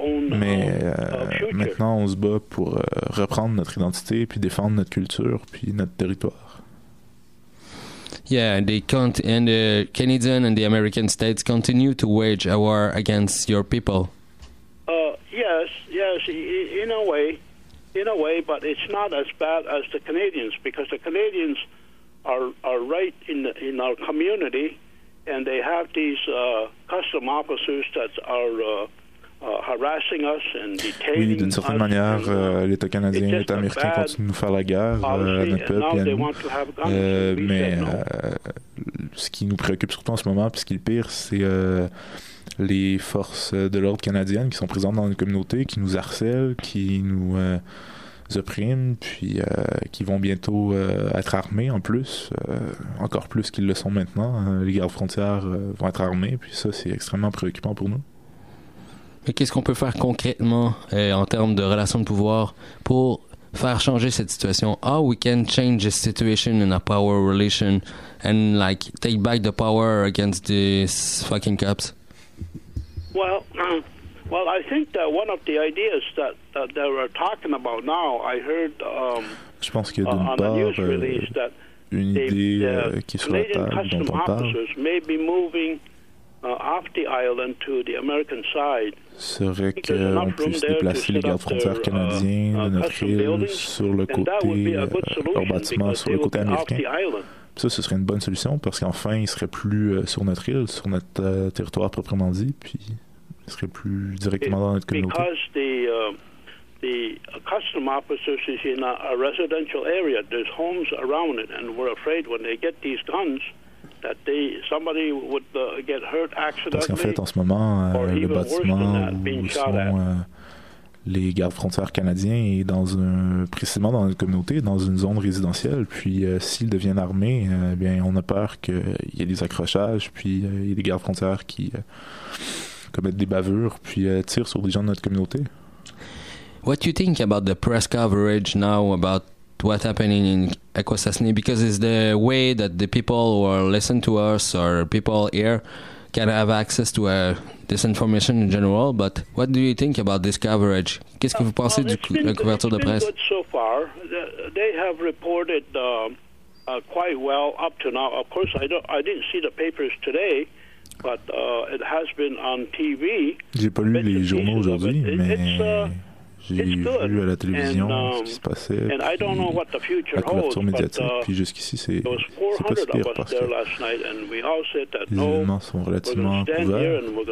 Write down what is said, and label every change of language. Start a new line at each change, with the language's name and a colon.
French: Mais maintenant, on se bat pour reprendre notre identité, puis défendre notre culture, puis notre territoire.
English: Yeah, and the Canadian and the American states continue to wage a war against your people. Yes, in a way, but it's not as bad as the Canadians, because the Canadians are right in our community, and they have these custom officers that are harassing us and detaining us.
French: Oui, d'une certaine manière, l'État canadien et l'État américain continuent de nous faire la guerre à notre peuple et à nous. Ce qui nous préoccupe surtout en ce moment, puis ce qui est le pire, c'est les forces de l'ordre canadiennes qui sont présentes dans notre communauté, qui nous harcèlent, qui nous oppriment, puis qui vont bientôt être armées en plus, encore plus qu'ils le sont maintenant. Les gardes frontières vont être armées, puis ça, c'est extrêmement préoccupant pour nous. Mais qu'est-ce qu'on peut faire concrètement en termes de relations de pouvoir pour faire changer cette situation?
English: How we can change a situation in a power relation and like take back the power against these fucking cops? Well, I think that one of the ideas that they were talking about now, I heard
French: je pense qu'il y a d'une part une idée qui est sur la table dont on parle.
English: Off the island to the American side.
French: Serait qu'on puisse déplacer les gardes frontières canadiens de notre île sur le côté, leur bâtiment sur le côté américain. Ça, ce serait une bonne solution parce qu'enfin, ils seraient plus sur notre île, sur notre territoire proprement dit, puis ils seraient plus directement dans notre communauté.
English: Because the custom officers is in a residential area. There's homes around it, and we're afraid when they get these guns. That they somebody would get hurt accidentally.
French: Parce qu'en fait, en ce moment, le bâtiment où sont les gardes frontières canadiens est précisément dans une communauté, dans une zone résidentielle. Puis s'ils deviennent armés, bien, on a peur qu'il y ait des accrochages, puis il y ait des gardes frontières qui commettent des bavures, puis tirent sur des gens de notre communauté.
English: What do you think about the press coverage now about what's happening in Akwesasne, because it's the way that the people who are listen to us or people here can have access to this information in general. But what do you think about this coverage?
French: Qu'est-ce que vous pensez de la couverture de presse?
English: It's been good so far. They have reported quite well up to now. Of course, I didn't see the papers today, but it has been on TV.
French: J'ai pas lu les journaux aujourd'hui, j'ai vu à la télévision ce qui se passait, la couverture médiatique, puis jusqu'ici, c'est pas si pire parce que les événements sont relativement couverts.